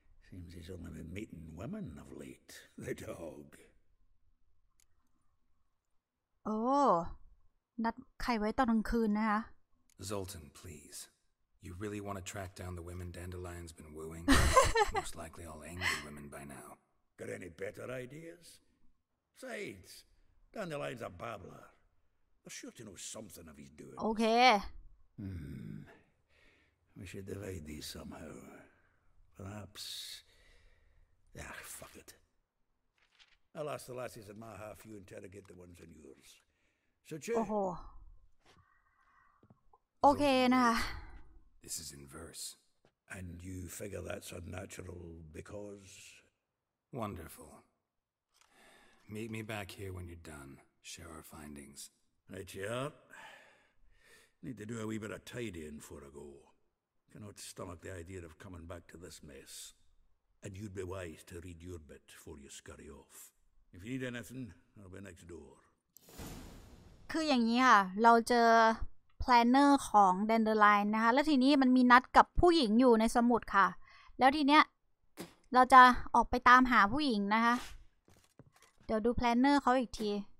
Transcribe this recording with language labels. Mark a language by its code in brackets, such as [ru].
[en] Seems he's only been meeting women of late, the dog. [th] Oh, นัดใครไว้ตอนกลางคืนนะคะ [en] Zoltan, please. You really want to track down the women Dandelion's been wooing? Most likely all angry women by now. Got any better ideas? Besides, Dandelion's a babbler. They're sure to know something of his doings. Okay. We should divide these somehow. Perhaps... Ah, fuck it. I'll ask the lassies in my half, you interrogate the ones in yours. So, Che? Oh, ho. Okay, nah. This is in verse. And you figure that's unnatural because... Wonderful. Meet me back here when you're done. Share our findings. Right, yeah. Need to do a wee bit of tidying before I go. Cannot stomach the idea of coming back to this mess. And you'd be wise to read your bit before you scurry off. If you need anything, I'll be next door. [th] คืออย่างนี้ค่ะเราเจอแพลนเนอร์ของ Dandelion นะคะแล้วทีนี้มันมีนัดกับผู้หญิงอยู่ในสมุดค่ะแล้วทีเนี้ยเราจะออกไปตามหาผู้หญิงนะคะเดี๋ยวดูแพลนเนอร์เขาอีกที